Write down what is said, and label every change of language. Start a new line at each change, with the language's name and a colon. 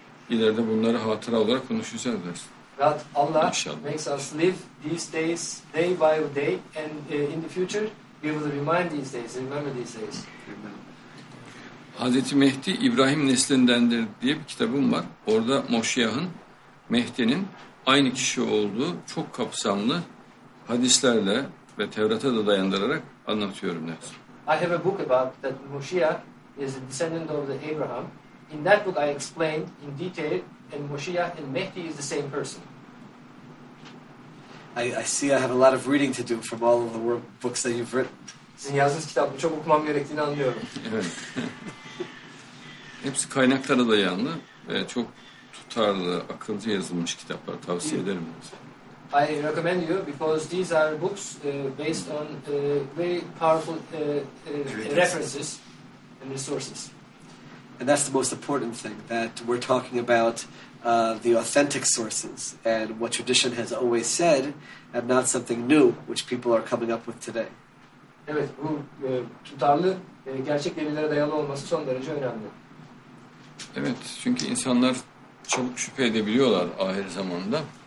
Turkish: İleride bunları hatıra olarak konuşacağız dersin.
English: God, Allah İnşallah. Makes us live these days, day by day, and in the future, be able to remind these days, remember these days.
Turkish: Hazreti Mehdi İbrahim neslindendir diye bir kitabım var. Orada Moşiyah'ın, Mehdi'nin aynı kişi olduğu çok kapsamlı hadislerle ve Tevrat'a da dayandırarak anlatıyorum ders.
English: I have a book about that Moşiyah is a descendant of the Abraham. In that book I explained in detail and Moşiyah and Mehdi is the same person. I see I have a lot of reading to do from all of the work, books that you've written.
Turkish: Sizin yazdığınız kitabı çok okumam gerektiğini anlıyorum. Evet. Hepsi kaynaklara dayandı ve çok tutarlı, akılcı yazılmış kitaplar. Tavsiye ederim.
English: I recommend you because these are books based on very powerful references and resources. And that's the most important thing, that we're talking about the authentic sources and what tradition has always said and not something new which people are coming up with today.
Turkish: Evet, bu tutarlı, gerçek verilere dayalı olması son derece önemli. Evet, çünkü insanlar çabuk şüphe edebiliyorlar ahir zamanda.